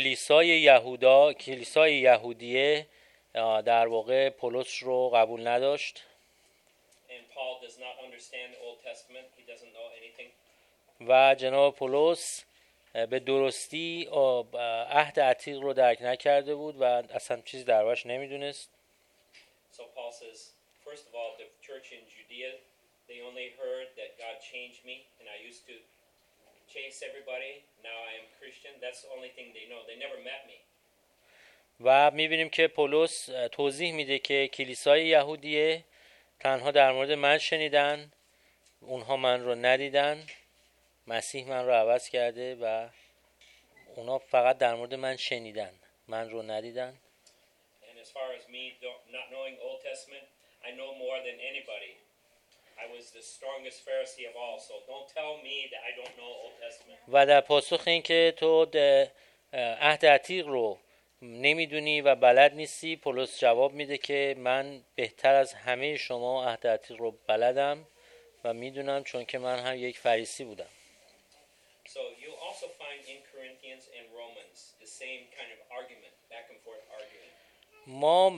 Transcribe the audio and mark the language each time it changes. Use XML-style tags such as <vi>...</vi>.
<fa>کلیسای یهودیه در واقع پولس رو قبول نداشت.</fa> <en>Paul does not understand the Old Testament. He doesn't know anything.</en> <fa>و جناب پولس به درستی عهد عتیق رو درک نکرده بود و اصلا چیزی دربارش نمیدونست.</fa> <en>So Paul says, first of all, the church in Judea, they only heard that God changed me and I used to chase everybody. Now I am Christian. That's the only thing they know. They never met me.</en> <fa>و می‌بینیم که پولس توضیح میده که کلیسای یهودیه تنها در مورد من شنیدن، اونها من رو ندیدن، مسیح من رو عوض کرده و اونا فقط در مورد من شنیدن، من رو ندیدن.</fa> <en>And as far as me not knowing Old Testament, I know more than anybody. I was the strongest Pharisee of all, so don't tell me that I don't know Old Testament.</en> <fa>و در پاسخ این که تو عهد عتیق رو نمیدونی و بلد نیستی، پولس جواب میده که من بهتر از همه شما عهد عتیق رو بلدم و میدونم چون که من هم یک فریسی بودم.</fa> <en>So you also find in Corinthians and Romans the same kind of argument, back and forth arguing.</en>